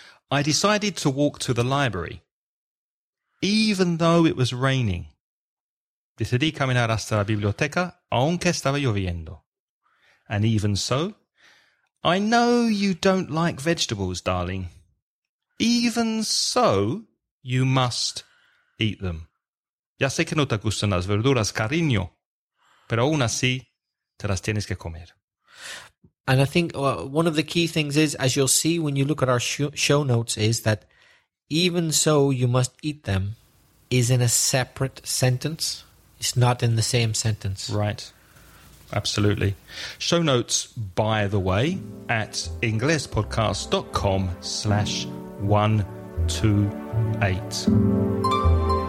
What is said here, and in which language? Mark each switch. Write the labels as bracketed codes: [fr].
[en] I decided to walk to the library. Even though it was raining, [es] decidí caminar hasta la biblioteca, aunque estaba lloviendo. [en] And even so, I know you don't like vegetables, darling. Even so, you must eat them. [es] Ya sé que no te gustan las verduras, cariño, pero aún así, te las tienes que comer. [en] And I think one of the key things is, as you'll see when you look at our show notes, is that even so, you must eat them is in a separate sentence. It's not in the same sentence. Right. Absolutely. Show notes, by the way, at inglespodcast.com/128.